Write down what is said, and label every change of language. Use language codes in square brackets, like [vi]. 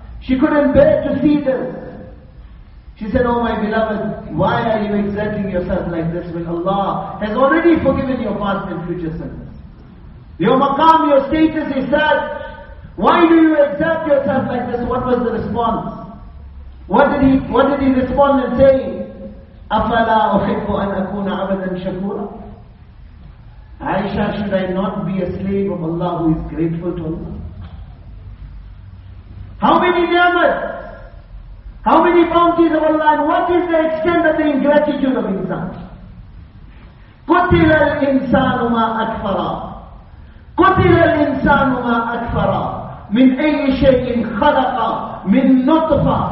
[en] She couldn't bear to see this. She said, oh my beloved, why are you exerting yourself like this when Allah has already forgiven your past and future sins? Your maqam, your status is such. Why do you exert yourself like this? What was the response? What did he respond and say? [ar] أَفَلَا أُحِبُّ أَنْ أَكُونَ عَبَدًا شَكُورًا. [en] Aisha, should I not be a slave of Allah who is grateful to Allah? How many ni'mat? How many bounties of Allah? And what is the extent of the ingratitude of insan? [ar] قُتِلَ الْإِنسَانُ مَا أَكْفَرَ قُتِلَ الْإِنسَانُ مَا أَكْفَرَ مِنْ أَيِّ شَيْءٍ خَلَقَ مِنْ نُطْفَ.